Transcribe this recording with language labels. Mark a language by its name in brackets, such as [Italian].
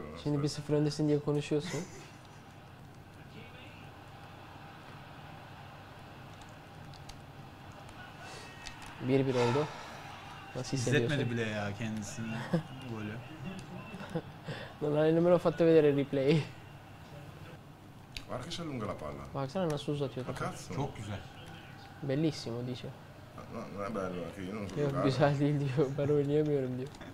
[Turkish] Şimdi bir 0 öndesin diye konuşuyorsun. Bir bir oldu. Nasıl hissediyorsun? İzletmedi bile ya kendisini golü. [Italian] Non hai nemmeno fatto vedere il replay. Guarda che si allunga la palla. [Turkish] Baksana nasıl uzatıyor. [Italian] Ma cazzo. [Turkish] Çok güzel. [Italian] Bellissimo dice. Non è bello. [Turkish] Yok güzel değil diyor. Ben oynayamıyorum diyor.